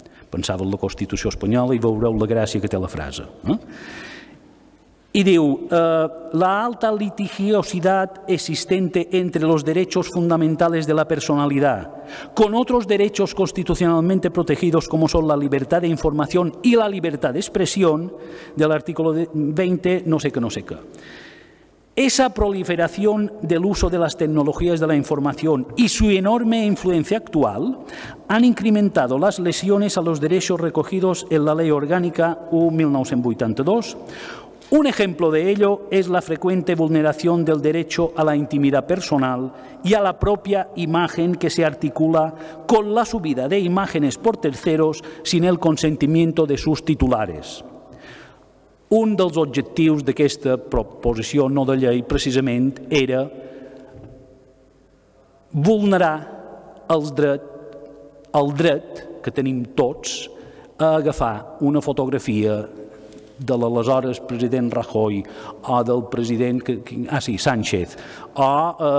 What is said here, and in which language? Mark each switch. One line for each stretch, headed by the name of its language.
Catalan: Pensava en la Constitució espanyola i veureu la gràcia que té la frase. I diu,
Spanish: la alta litigiosidad existente entre los derechos fundamentales de la personalidad, con otros derechos constitucionalmente protegidos como son la libertad de información y la libertad de expresión, del artículo 20, no sé qué, no sé qué. Esa proliferación del uso de las tecnologías de la información y su enorme influencia actual han incrementado las lesiones a los derechos recogidos en la Ley Orgánica U-1982, Un ejemplo de ello es la frecuente vulneración del derecho a la intimidad personal y a la propia imagen que se articula con la subida de imágenes por terceros sin el consentimiento de sus titulares.
Catalan: Un dels objectius d'aquesta proposició no de llei precisament era vulnerar el dret que tenim tots a agafar una fotografia de l'aleshores president Rajoy o del president Sánchez o